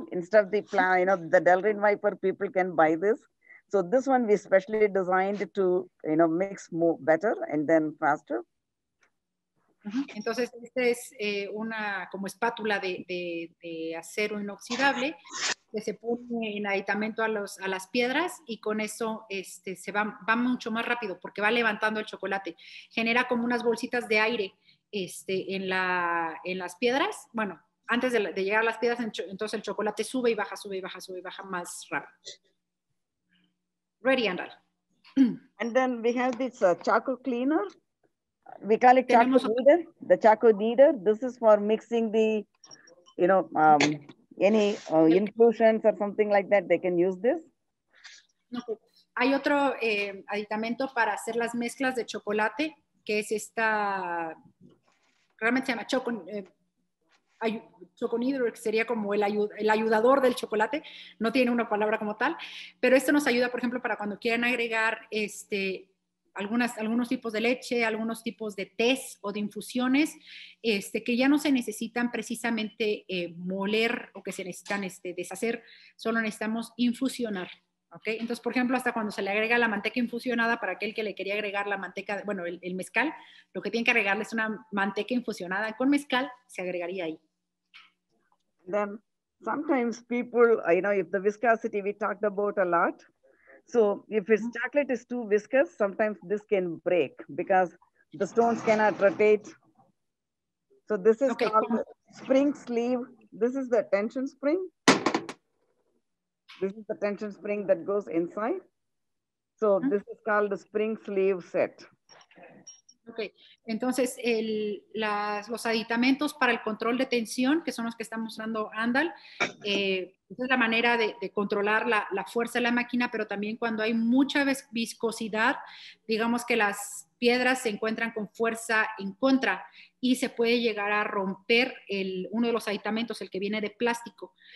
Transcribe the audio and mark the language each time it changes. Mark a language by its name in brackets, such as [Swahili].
[English] Instead of the, you know, the Delrin wiper, people can buy this. So this one we specially designed to, you know, mix more better and then faster. [Spanish] Entonces, esta es una como espátula de acero inoxidable que se pone en aditamento a las piedras y con eso se va mucho más rápido porque va levantando el chocolate. Genera como unas bolsitas de aire. En las piedras, bueno, antes de llegar a las piedras, entonces el chocolate sube y baja, sube y baja, sube y baja más rápido. [English] Ready, Andal. And then we have this charco cleaner. We call it charco kneader. The charco kneader. This is for mixing the, you know, any inclusions or something like that. They can use this. [Spanish] No, hay otro aditamento para hacer las mezclas de chocolate, que es esta. Realmente se llama choconidro, que sería como el ayudador del chocolate. No tiene una palabra como tal. Pero esto nos ayuda, por ejemplo, para cuando quieran agregar algunos tipos de leche, algunos tipos de tés o de infusiones, que ya no se necesitan precisamente moler o que se necesitan deshacer. Solo necesitamos infusionar. ¿Okay? Entonces, por ejemplo, hasta cuando se le agrega la manteca infusionada, para aquel que le quería agregar la manteca, bueno, el mezcal, lo que tiene que agregarle es una manteca infusionada con mezcal, se agregaría ahí. [English] Then, sometimes people, you know, if the viscosity we talked about a lot, so if it's chocolate is too viscous, sometimes this can break because the stones cannot rotate. So this is called spring sleeve. This is the tension spring. This is the tension spring that goes inside. So this is called the spring sleeve set. Okay. [Spanish] Entonces, los aditamentos para el control de tensión, que son los que está mostrando Andal, es la manera de controlar la fuerza de la máquina, pero también cuando hay mucha viscosidad, digamos que las piedras se encuentran con fuerza en contra y se puede llegar a romper uno de los aditamentos, el que viene de plástico.